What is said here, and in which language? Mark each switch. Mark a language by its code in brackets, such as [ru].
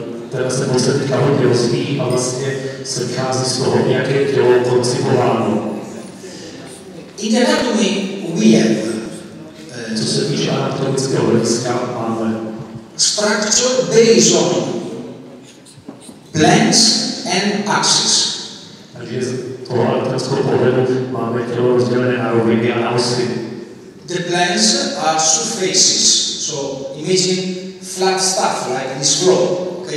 [cs] Teda se bude setká hodně rozvíjí a vlastně se vychází z toho, jak je tělo koncipováno. [en] In the anatomy we have, [cs] co se týče anatomického hlediska, máme [en] structure based on planes and axes. [cs] Takže z toho anatomického pohledu máme tělo rozdělené na roviny a na osy. [en] The planes are surfaces, so imagine flat stuff like this floor.